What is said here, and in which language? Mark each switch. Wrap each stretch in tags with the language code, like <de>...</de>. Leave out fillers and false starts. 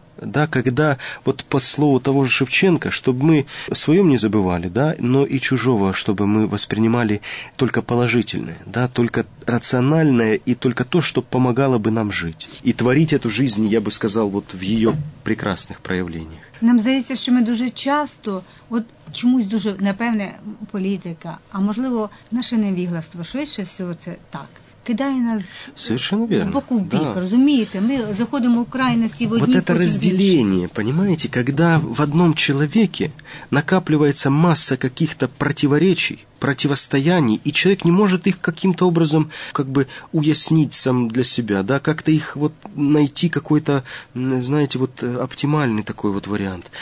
<ru>Да, когда, вот по слову того же Шевченко, чтобы мы о своем не забывали, да, но и чужого, чтобы мы воспринимали только положительное, да, только рациональное и только то, что помогало бы нам жить. И творить эту жизнь, я бы сказал, вот в ее прекрасных проявлениях.</ru> <uk>Нам здається, що ми дуже часто, от чомусь дуже, напевне, політика, а можливо, наше невігластво, швидше всього це так. Кидає нас</uk> <ru>совершенно верно.</ru> <uk>С боку в бік, да. Розумієте? Ми заходимо в крайності в одній, потім в іншій.</uk> <ru>Вот это разделение, понимаете, когда в одном человеке накапливается масса каких-то противоречий, противостояний, и человек не может их каким-то образом как бы уяснить сам для себя, да, как-то их вот найти какой-то, знаете, вот оптимальный такой вот вариант.</ru>